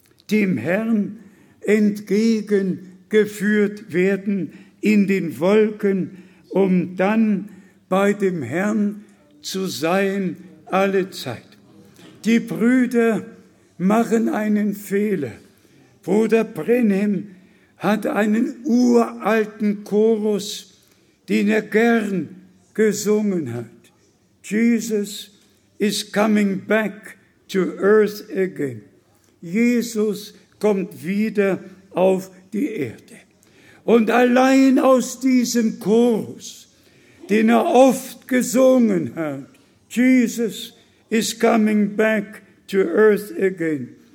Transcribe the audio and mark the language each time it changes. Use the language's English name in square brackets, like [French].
[German] dem Herrn entgegengeführt werden in den Wolken, um dann bei dem Herrn zu sein alle Zeit. Die Brüder machen einen Fehler. Bruder Brenhem hat einen uralten Chorus, den er gern gesungen hat. [English] Jesus is coming back to earth again. [German] Jesus kommt wieder auf die Erde. Und allein aus diesem Chorus, den er oft gesungen hat, [English] Jesus is coming back to earth again.